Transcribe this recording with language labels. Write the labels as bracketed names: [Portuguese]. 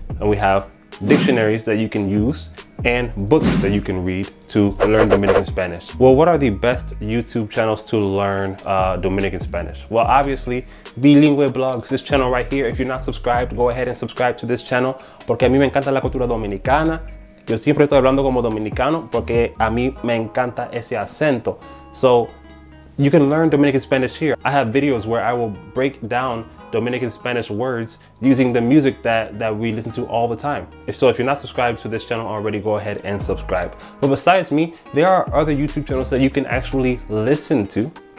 [English] And we have dictionaries that you can use and books that you can read to learn Dominican Spanish. Well, what are the best YouTube channels to learn Dominican Spanish? Well, obviously, Bilingüe Vlogs, this channel right here. If you're not subscribed, go ahead and subscribe to this channel. [Spanish] Porque a mí me encanta la cultura dominicana. Yo siempre estoy hablando como dominicano porque a mí me encanta ese acento. [English] So, you can learn Dominican Spanish here. I have videos where I will break down Dominican Spanish words using the music that we listen to all the time. If you're not subscribed to this channel already, go ahead and subscribe. But besides me, there are other YouTube channels that you can actually listen to.